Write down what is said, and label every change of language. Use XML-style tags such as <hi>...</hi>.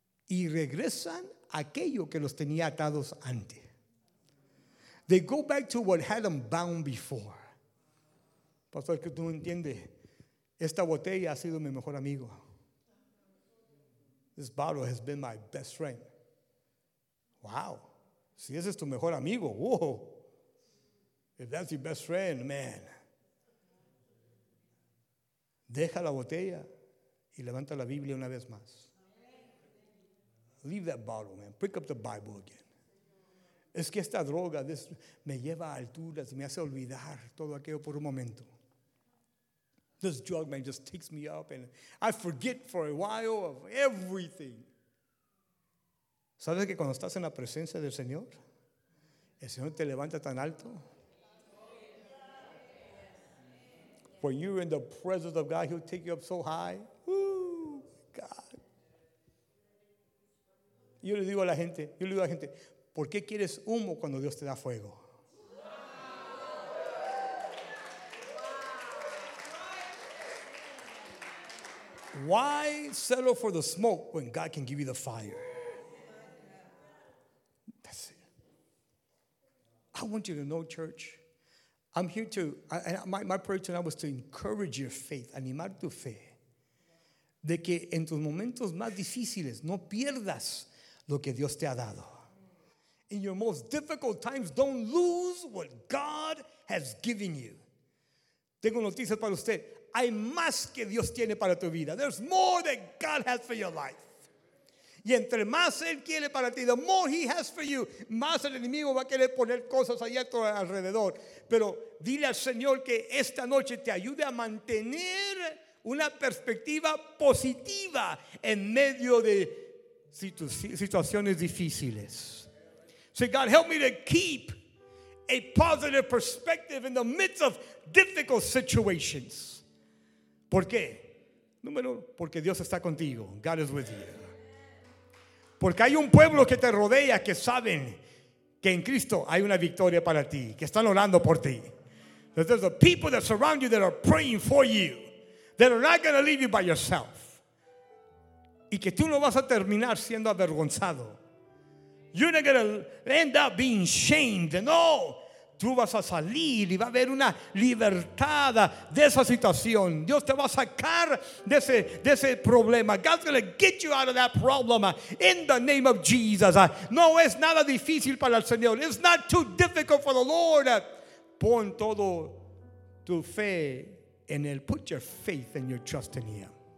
<es>Y regresan a aquello que los tenía atados antes.</es> <en>They go back to what had them bound before.</en> <es>Pastor, que tú no entiendes. Esta botella ha sido mi mejor amigo.</es> <en>This bottle has been my best friend. Wow.</en> <es>Si ese es tu mejor amigo, whoa.</es> <en>If that's your best friend, man.</en> <es>Deja la botella y levanta la Biblia una vez más.</es> <en>Leave that bottle, man. Pick up the Bible again.</en> <es>Es que esta droga me lleva a alturas, me hace olvidar todo aquello por un momento.</es> <en>This drug, man, just takes me up and I forget for a while of everything.</en> <es>¿Sabes que cuando estás en la presencia del Señor, el Señor te levanta tan alto?</es> <en>When you're in the presence of God, He'll take you up so high. God.</en> <es>Yo le digo a la gente, ¿por qué quieres humo cuando Dios te da fuego?</es> <en>Why settle for the smoke when God can give you the fire? That's it. I want you to know, church, I'm here to, and my prayer tonight was to encourage your faith,</en> <es>animar tu fe, de que en tus momentos más difíciles no pierdas lo que Dios te ha dado.</es> <en>In your most difficult times, don't lose what God has given you.</en> <es>Tengo noticias para usted. Hay más que Dios tiene para tu vida.</es> <en>There's more that God has for your life.</en> <es>Y entre más Él quiere para ti,</es> <en>the more He has for you,</en> <es>más el enemigo va a querer poner cosas allá a tu alrededor. Pero dile al Señor que esta noche te ayude a mantener una perspectiva positiva en medio de situaciones difíciles.</es> <en>Say, God, help me to keep a positive perspective in the midst of difficult situations.</en> <es>¿Por qué? Número uno, porque Dios está contigo.</es> <en>God is with you.</en> <es>Porque hay un pueblo que te rodea que saben que en Cristo hay una victoria para ti, que están orando por ti.</es> <en>That there's a people that surround you that are praying for you, that are not going to leave you by yourself.</en> <es>Y que tú no vas a terminar siendo avergonzado.</es> <en>You're not going to end up being shamed.</en> <es>No. Tú vas a salir y va a haber una libertad de esa situación. Dios te va a sacar de ese problema.</es> <en>God's going to get you out of that problem in the name of Jesus.</en> <es>No es nada difícil para el Señor.</es> <en>It's not too difficult for the Lord.</en> <es>Pon todo tu fe en Él.</es> <en>Put your faith and your trust in Him.</en>